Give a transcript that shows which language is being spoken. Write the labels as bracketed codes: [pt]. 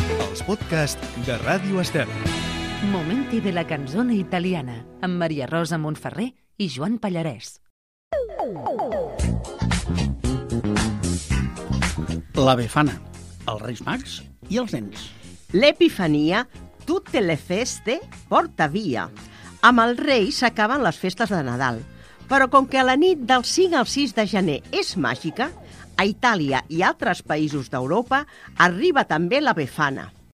[ca] els podcasts de Ràdio Estel. Momenti de la canzone italiana, amb Maria Rosa Montferrer i Joan Pallarès. La Befana, els Reis Mags i els nens. [it] L'Epifania, tutte le feste porta via. [ca] Amb els Reis s'acaben les festes de Nadal. Però com que la nit del 5 al 6 de gener és màgica, a Itàlia i altres països d'Europa arriba també la Befana.